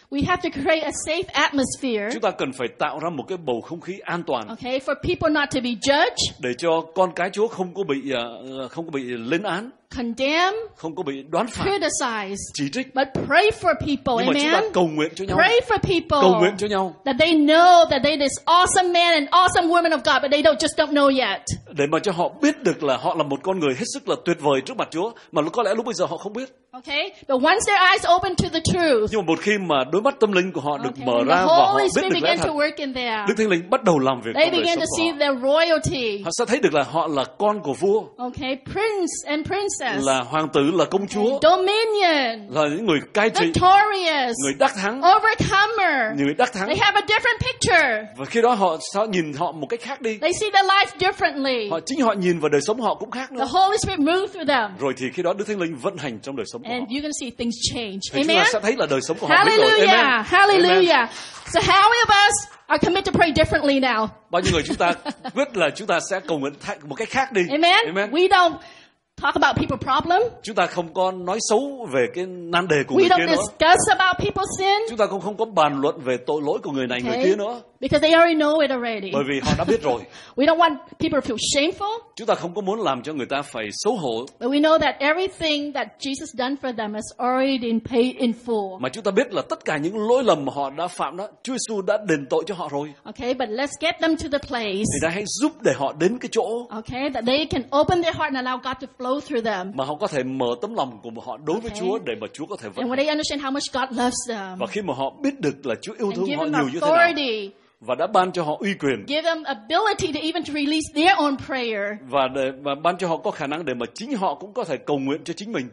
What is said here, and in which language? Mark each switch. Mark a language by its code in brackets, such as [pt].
[en] we have to create a safe atmosphere. [vi] Chúng ta cần phải tạo ra một cái bầu không khí an toàn. [en] Okay, for people not to be judged. [vi] Để cho con cái Chúa không có bị lên án. [en] Condemn, [vi] không có bị đoán phạt, [en] criticize, [vi] chỉ trích, [en] but pray for people, amen. [vi] Mà chúng ta cầu nguyện cho nhau. [en] Pray for people, [vi] cầu nguyện cho nhau. [en] That they know that they this awesome man and awesome woman of God, but they just don't know yet. [vi] Để mà cho họ biết được là họ là một con người hết sức là tuyệt vời trước mặt Chúa, mà có lẽ lúc bây giờ họ không biết. [en] Okay, but once their eyes open to the truth, [vi] nhưng mà một khi mà đôi mắt tâm linh của họ được [en] okay, [vi] mở ra và họ biết được lẽ thật, Đức Thánh Linh bắt đầu làm việc trong đời sống của họ. [en] They begin to see their royalty. [vi] Họ sẽ thấy được là họ là con của vua. [en] Okay, prince and princess. [vi] Là hoàng tử, là công chúa, [en] dominion, [vi] là những người cai trị, [en] victorious, [vi] người đắc thắng, [en] overcomer, [vi] người đắc thắng. [en] They have a different picture. [vi] Và khi đó họ nhìn họ một cách khác đi. [en] They see their life differently. [vi] Họ chính họ nhìn vào đời sống họ cũng khác nữa. [en] The Holy Spirit moves through them. [vi] Rồi thì khi đó Đức Thánh Linh vận hành trong đời sống của [en] and [vi] họ. [en] And you can see things change. [vi] Thì [en] amen. [vi] Chúng ta sẽ thấy là đời sống của họ [en] hallelujah. [vi] Biến đổi. [en] Hallelujah. Amen. So how many of us are commit to pray differently now? Bao nhiêu người chúng ta quyết là chúng ta sẽ cầu nguyện một cách khác đi. Amen. Amen. We don't talk about people's problem. [vi] Chúng ta không có nói xấu về cái nan đề của [en] we [vi] người kia nữa. [en] We don't discuss about people's sin. [vi] Chúng ta cũng không có bàn luận về tội lỗi của người này [en] okay. [vi] Người kia nữa. [en] Because they already know it already. [vi] Bởi vì họ đã biết rồi. [en] We don't want people to feel shameful. [vi] Chúng ta không có muốn làm cho người ta phải xấu hổ. [en] But we know that everything that Jesus done for them is already been paid in full. [vi] Mà chúng ta biết là tất cả những lỗi lầm họ đã phạm đó, Chúa Giêsu đã đền tội cho họ rồi. [en] Okay, but let's get them to the place. [vi] Thì ta hãy giúp để họ đến cái chỗ. [en] Okay, that they can open their heart and allow God to flow through them. [vi] Mà họ có thể mở tấm lòng của họ đối okay. với Chúa để mà Chúa có thể vận. [en] And when they understand how much God loves them. [vi] Và khi mà họ biết được là Chúa yêu thương họ nhiều như thế nào. Và đã ban cho họ uy quyền. [en] Give them ability to even to release their own prayer. [vi] Và ban cho họ có khả năng để mà chính họ cũng có thể cầu nguyện cho chính mình.